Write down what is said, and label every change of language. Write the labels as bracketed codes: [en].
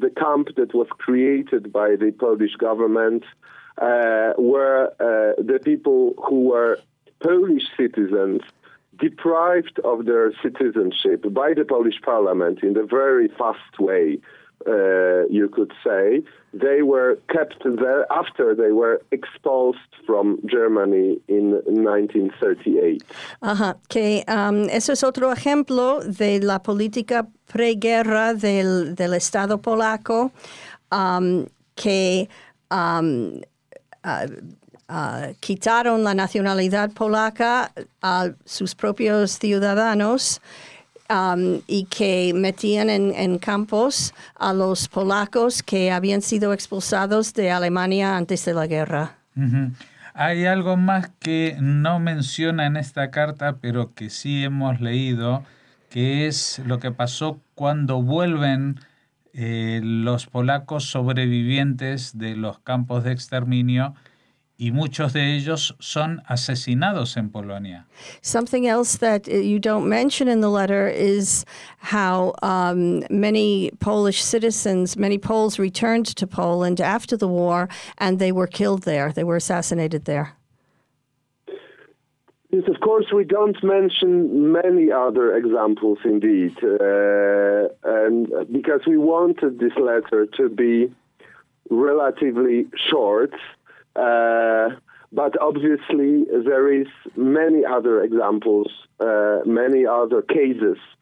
[en] The camp that was created by the Polish government were the people who were Polish citizens deprived of their citizenship by the Polish parliament in the very fast way, you could say. They were kept there after they were expulsed from Germany in 1938. [es] Ajá, que eso es otro ejemplo de la política preguerra del Estado polaco, quitaron la nacionalidad polaca a sus propios ciudadanos y que metían en campos a los polacos que habían sido expulsados de Alemania antes de la guerra. Uh-huh. Hay algo más que no menciona en esta carta, pero que sí hemos leído, que es lo que pasó cuando vuelven los polacos sobrevivientes de los campos de exterminio. Y muchos de ellos son asesinados en Polonia. [en] Something else that you don't mention in the letter is how many Polish citizens, many Poles returned to Poland after the war, and they were killed there. They were assassinated there. Yes, of course, we don't mention many other examples, indeed, and because we wanted this letter to be relatively short, but obviously there is many other examples, many other cases,